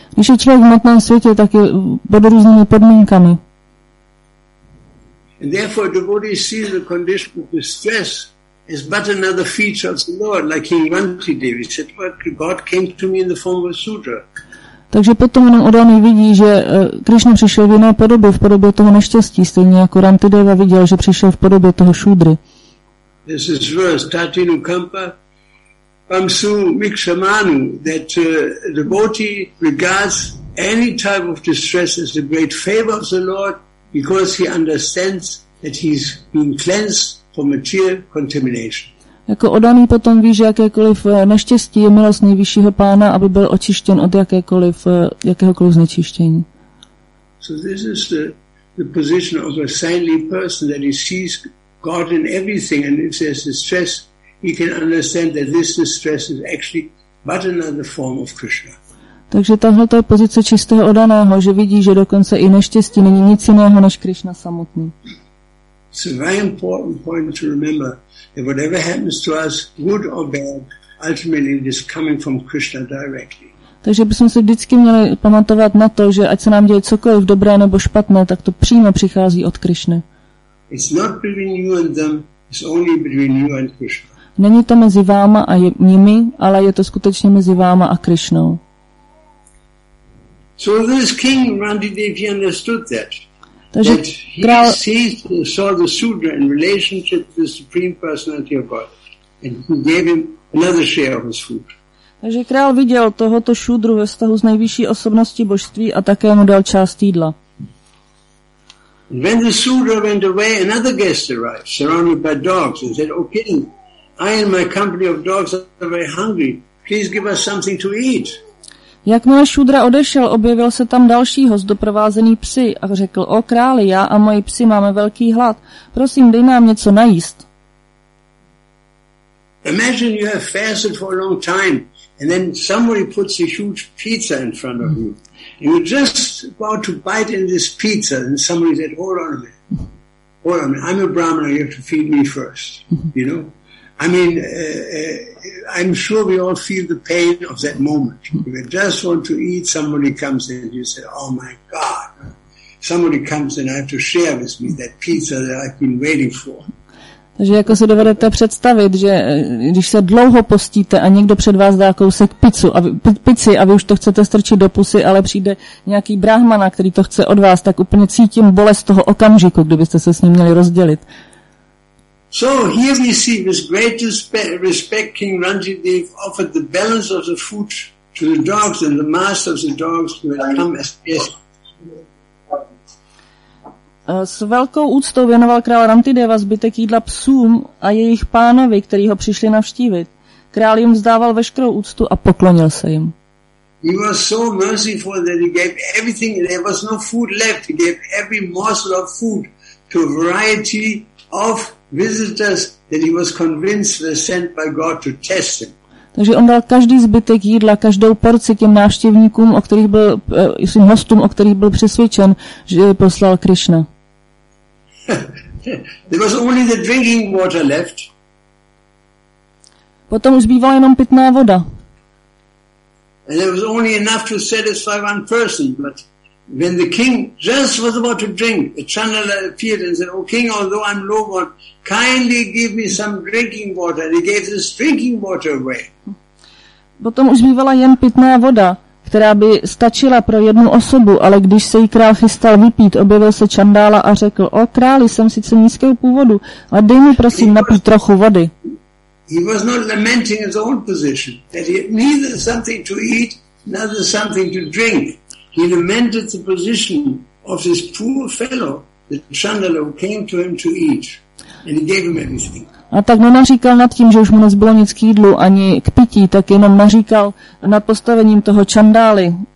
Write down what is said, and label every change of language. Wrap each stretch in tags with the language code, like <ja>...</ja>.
<cs>Když je člověk v hmotném světě, tak je pod různými podmínkami.</cs> <en>And therefore a devotee sees the condition of distress as but another feature of the Lord, like King Vanti Devi said, well, God came to me in the form of a sutra.</en> <cs>Takže potom jenom oddaný vidí, že Krišna přišel v jiné podobě, v podobě toho neštěstí, stejně jako Rantideva viděl, že přišel v podobě toho šudry.</cs> <en>This is verse,</en> <sa>Tatinu Kampa, Pamsu Mikshamanu,</sa> <en>that devotee regards any type of distress as a great favor of the Lord, because he understands that he's been cleansed from material contamination.</en> <cs>Jako oddaný potom ví, že jakékoliv neštěstí je milost nejvyššího pána, aby byl očištěn od jakéhokoliv znečištění.</cs> <en>So this is the position of a saintly person, that he sees God in everything, and if there's distress, he can understand that this distress is actually but another form of Krishna.</en> <cs>Takže tahle to je pozice čistého oddaného, že vidí, že dokonce i neštěstí není nic jiného než Krishna samotný.</cs> <en>It's a very important point to remember. That whatever happens to us, good or bad, ultimately it is coming from Krishna directly.</en> <cs>Takže bychom si vždycky měli pamatovat na to, že ať se nám děje cokoliv dobré nebo špatné, tak to přímo přichází od Krishny.</cs> <en>It's not between you and them, it's only between you and Krishna.</en> <cs>Není to mezi váma a nimi, ale je to skutečně mezi váma a Krishnou.</cs> <en>So this king Randidevi understood that.</en> <cs>Takže král</cs> <en>saw the sudra in relationship to the supreme personality of God, and he gave him another share of his food.</en> <cs>Takže král viděl tohoto šudru ve vztahu s nejvyšší osobností božství a také mu dal část jídla.</cs> <en>And when the sudra went away, another guest arrived, surrounded by dogs, and said, "O king, I and my company of dogs are very hungry. Please give us something to eat."</en> <cs>Jakmile šudra odešel, objevil se tam další host doprovázený psy a řekl, o králi, já a moji psi máme velký hlad. Prosím, dej nám něco najíst.</cs> <en>Imagine you have fasted for a long time and then somebody puts a huge pizza in front of you. And you're just about to bite in this pizza and somebody said, hold on a minute, I'm a brahmana, you have to feed me first, you know. I mean, I'm sure we all feel the pain of that moment. If I just want to eat, somebody comes in and you say, oh my God, somebody comes in and I have to share with me that pizza that I've been waiting for.</en> <cs>Takže jako si dovedete představit, že když se dlouho postíte a někdo před vás dá kousek pici a vy už to chcete strčit do pusy, ale přijde nějaký brahmana, který to chce od vás, tak úplně cítím bolest toho okamžiku, kdybyste se s ním měli rozdělit.</cs> <en>So here we see this great respect King Ranjideev offered the balance of the food to the dogs and the master of the dogs who had come as guests.</en> <cs>S velkou úctou věnoval král Ramtideva zbytek jídla psům a jejich pánovi, který ho přišli navštívit. Král jim vzdával veškerou úctu a poklonil se jim.</cs> <en>He was so merciful that he gave everything. There was no food left. He gave every morsel of food to a variety of visitors that he was convinced were sent by God to test him.</en> <cs>Takže on dal každý zbytek jídla, každou porci těm návštěvníkům, o kterých byl, svým hostům, o kterých byl přesvědčen, že je poslal Krišna.</cs> <en>There was only the drinking water left.</en> <cs>Potom už zbývala jenom pitná voda.</cs> <en>And there was only enough to satisfy one person, but when the king just was about to drink, a channel appeared and said, "Oh king, although I'm low on, kindly give me some drinking water." And he gave this drinking water away.</en> <cs>Potom už zbývala jen pitná voda, která by stačila pro jednu osobu, ale když se jí král chystal vypít, objevil se Čandála a řekl, o králi, jsem sice nízkého původu, ale dej mi prosím napít trochu vody.</cs> <en>He was not lamenting his own position, that he had neither something to eat, neither something to drink. He lamented the position of his poor fellow, the Chandala, who came to him to eat, and he gave him everything.</en> <cs>A tak nenaříkal nad tím, že už mu nezbylo nic k jídlu ani k pití, tak jenom naříkal nad postavením toho Čandály.</cs>